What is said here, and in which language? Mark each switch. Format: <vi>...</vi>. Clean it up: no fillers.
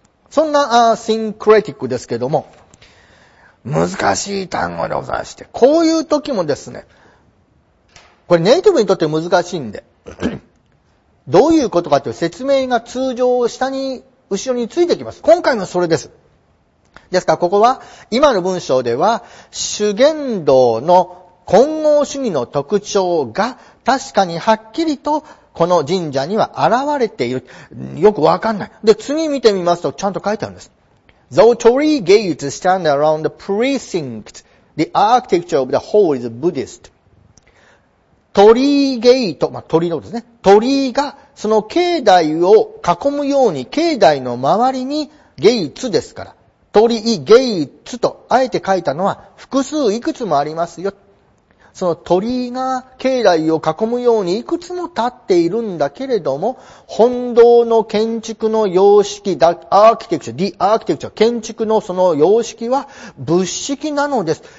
<ja>そんなシンクレティックですけども、難しい単語でございまして、こういう時もですね、これネイティブにとって難しいんで、どういうことかという説明が通常下に、後ろについてきます。今回もそれです。ですから、ここは、今の文章では、修験道の混合主義の特徴が、確かにはっきりと、この神社には現れている。よくわかんない。で、次見てみますと、ちゃんと書いてあるんです。</ja> <en>Though three gates stand around the precinct, the architecture of the hall is Buddhist.</en> <ja>鳥ゲート、まあ、鳥のですね。鳥が、その境内を囲むように、境内の周りにゲイツですから。鳥居、ゲイツと、あえて書いたのは、複数いくつもありますよ。その鳥居が境内を囲むようにいくつも立っているんだけれども、本堂の建築の様式アーキテクチャ、ディアーキテクチャ、建築のその様式は仏式なのです。</ja>